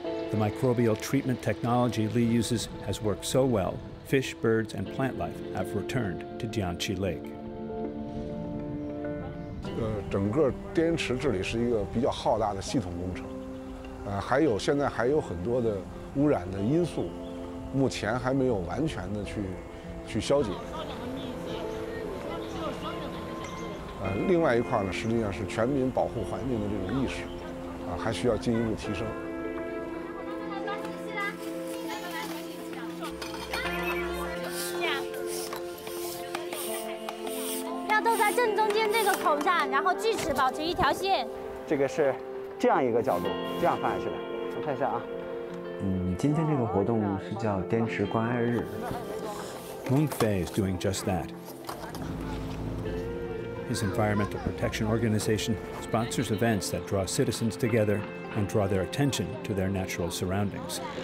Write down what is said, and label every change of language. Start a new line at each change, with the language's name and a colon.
English: The microbial treatment technology Li uses has worked so well, fish, birds, and plant life have returned to Dianchi Lake.
Chinese: 整个滇池治理是一个比较浩大的系统工程，还有现在还有很多的污染的因素，目前还没有完全的去消解。另外一块呢，实际上是全民保护环境的这种意识，还需要进一步提升。要都在正中间这个孔上，然后锯齿保持一条线。这个是这样一个角度，这样放下去的。我看一下啊。今天这个活动是叫滇池关爱日。
English: Moonfei is doing just that. His environmental protection organization sponsors events that draw citizens together and draw their attention to their natural surroundings.